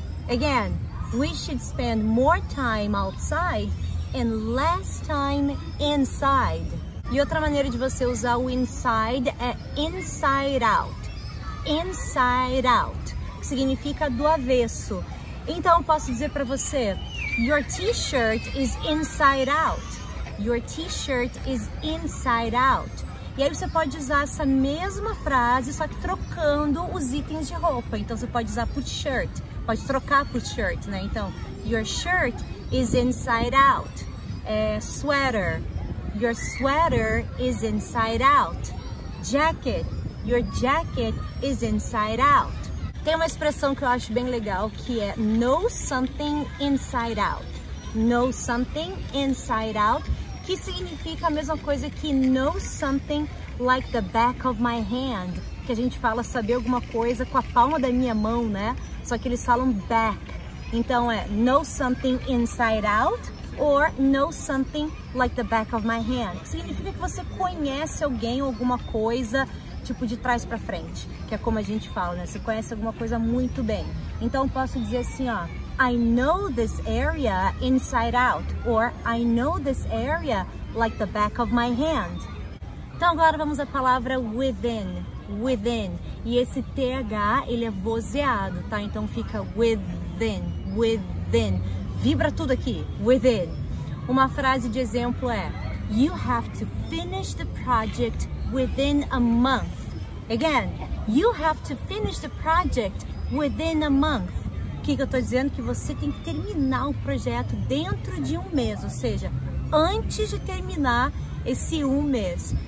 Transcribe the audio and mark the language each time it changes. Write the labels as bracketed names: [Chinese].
[English] Again, we should spend more time outside and less time inside. [Portuguese] E outra maneira de você usar o inside é inside out. Inside out, que significa do avesso. Então eu posso dizer para você, [English] your t-shirt is inside out. Your t-shirt is inside out. [Portuguese] E aí você pode usar essa mesma frase, só que trocando os itens de roupa. Então você pode usar por shirt, pode trocar por shirt, né? [English] Então, your shirt is inside out. É sweater. Your sweater is inside out. Jacket. Your jacket is inside out. [Portuguese] Tem uma expressão que eu acho bem legal que é [English] know something inside out. Know something inside out, [Portuguese] que significa a mesma coisa que [English] know something like the back of my hand. [Portuguese] Que a gente fala saber alguma coisa com a palma da minha mão, né? Só que eles falam back. Então é [English] know something inside out. Or know something like the back of my hand. [Portuguese] Significa que você conhece alguém ou alguma coisa, tipo de trás para frente, que é como a gente fala, né? Você conhece alguma coisa muito bem. Então posso dizer assim, ó, [English] I know this area inside out. Or I know this area like the back of my hand. [Portuguese] Então agora vamos à palavra within. Within. E esse TH, ele é vozeado, tá? Então fica within. Within. Vibra tudo aqui, within. Uma frase de exemplo é, [English] you have to finish the project within a month. Again, you have to finish the project within a month. [Portuguese] O que eu estou dizendo? Que você tem que terminar o projeto dentro de um mês, ou seja, antes de terminar esse um mês.